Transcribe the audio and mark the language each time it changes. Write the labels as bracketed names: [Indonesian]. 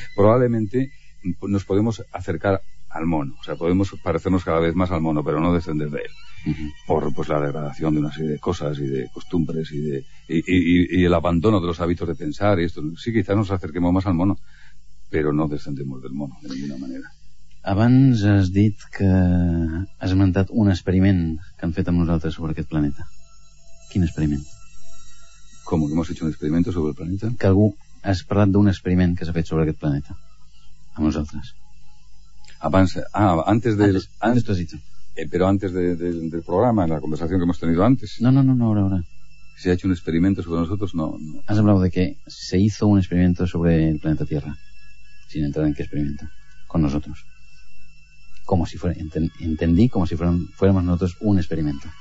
[Spanish] Probablemente nos podemos acercar al mono, o sea, podemos parecernos cada vez más al mono, pero no descender de él. Uh-huh. Por pues la degradación de una serie de cosas y de costumbres y el abandono de los hábitos de pensar y esto. Sí, quizás nos acerquemos más al mono, pero no descendemos del mono de ninguna manera. [Catalan] Abans has dit que has esmentat un experiment que han fet amb nosaltres sobre aquest planeta. Quin experiment? [Spanish] ¿Cómo que hemos hecho un experimento sobre el planeta? [Catalan] Que algú has parlat d'un experiment que s'ha fet sobre aquest planeta amb nosaltres. Abans tu has dit. [Spanish] Pero antes del programa, en la conversación que hemos tenido antes. No, ahora. ¿Se ha hecho un experimento sobre nosotros? No. Has hablado de que se hizo un experimento sobre el planeta Tierra, sin entrar en qué experimento, con nosotros. Como si fuera, entendí, como si fuéramos nosotros un experimento.